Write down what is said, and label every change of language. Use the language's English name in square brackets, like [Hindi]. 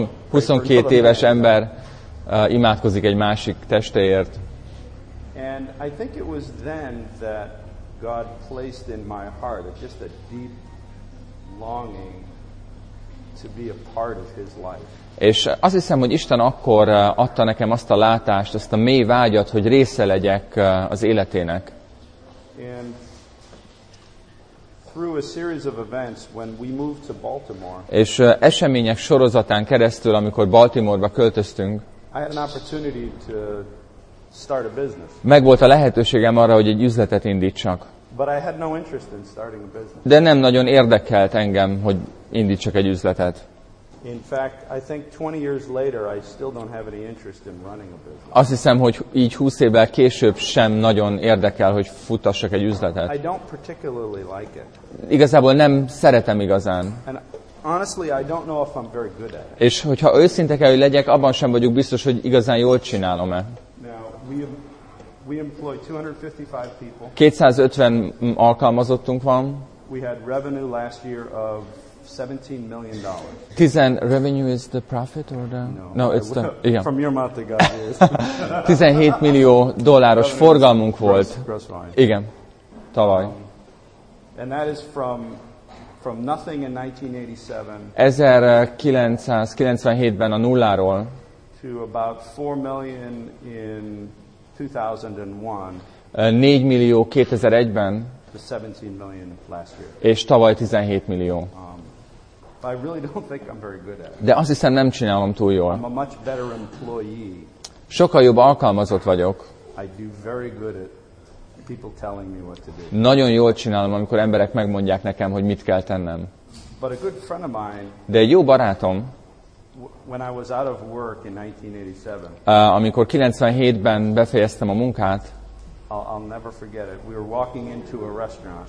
[Hungarian] 22 éves ember imádkozik egy másik testéért. [English] And I think it was then that God placed in my heart just a deep longing to be a part of his life. [Hungarian] És azt hiszem, hogy Isten akkor adta nekem azt a látást, azt a mély vágyat, hogy része legyek az életének. [English] And through a series of events when we moved to Baltimore. [Hungarian] És események sorozatán keresztül, amikor Baltimore-ba költöztünk. [English] I had an opportunity to start a business. [Hungarian] Megvolt a lehetőségem arra, hogy egy üzletet indítsak. [English] But I had no interest in starting a business. [Hungarian] De nem nagyon érdekelt engem, hogy indítsak egy üzletet. [English] In fact, I think 20 years later I still don't have any interest in running a business. [Hungarian] Azt hiszem, hogy így 20 évvel később sem nagyon érdekel, hogy futassak egy üzletet. [English] I don't particularly like it. [Hungarian] Igazából nem szeretem igazán. [English] And honestly, I don't know if I'm very good at it. [Hungarian] És hogyha őszinte kell, hogy legyek, abban sem vagyok biztos, hogy igazán jól csinálom-e. [English] Now, we employ 255 people. [Hungarian] 250 alkalmazottunk van. [English] We had revenue last year of $17 million. 10 revenue is the profit or the no it's the yeah. From your mouth to God's ears. [Hungarian] 17 millió dolláros forgalmunk volt. [English] Gross [Hungarian] igen. Tavaly. [English] And that is from nothing in 1987. [Hungarian] 1997-ben a nulláról. [English] To about 4 million in 2001. [Hungarian] 4 millió 2001-ben. [English] To 17 million last year. [Hungarian] És tavaly 17 millió. [English] I really don't think I'm very good at it. [Hungarian] De azt hiszem, nem csinálom túl jól. [English] I'm a much better employee. [Hungarian] Sokkal jobb alkalmazott vagyok. [English] I do very good at people telling me what to do. [Hungarian] Nagyon jól csinálom, amikor emberek megmondják nekem, hogy mit kell tennem. [English] But a good friend of mine, [Hungarian] de egy jó barátom, [English] when I was out of work in 1987, [Hungarian] amikor 97-ben befejeztem a munkát, [English] I'll never forget it. We were walking into a restaurant.